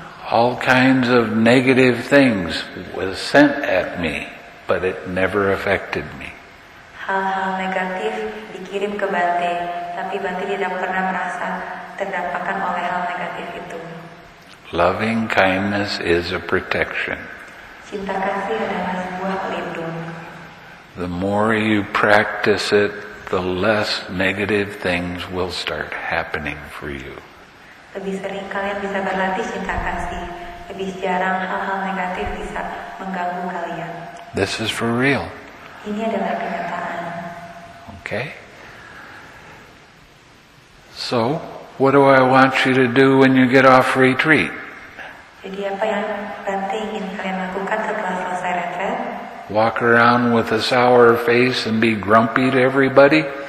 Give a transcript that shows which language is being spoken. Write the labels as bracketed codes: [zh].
[en] All kinds of negative things was sent at me, but it never affected me. [id] Hal-hal negatif dikirim ke Bante, tapi Bante tidak pernah merasa terdampakkan oleh hal negatif itu. [en] Loving kindness is a protection. [id] Cinta kasih adalah sebuah pelindung. [en] The more you practice it, the less negative things will start happening for you. [id] Lebih sering kalian bisa berlatih cinta kasih, lebih jarang hal-hal negatif bisa mengganggu kalian. [en] This is for real. [id] Ini adalah kenyataan. [en] Okay. So, what do I want you to do when you get off retreat? [id] Jadi apa yang Bante ingin kalian lakukan setelah selesai retreat? [en] Walk around with a sour face and be grumpy to everybody?